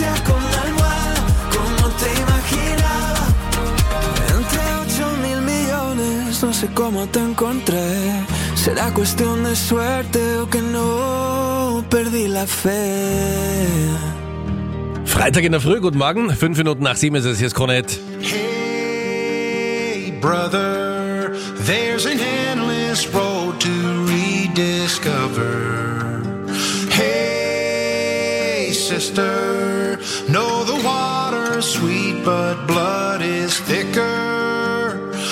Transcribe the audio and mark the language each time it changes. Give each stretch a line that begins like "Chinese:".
Spanish: Con la almohada, como te imaginaba. Entre 8 no sé cómo te encontré. ¿Será cuestión de suerte o que no perdí la fe?
German: Freitag in der Früh, guten Morgen. 5:05 ist es, hier ist Krone Hit.
English: Hey, brother, there's an endless road to rediscover. Hey, sister, know the water's sweet, but blood is thicker.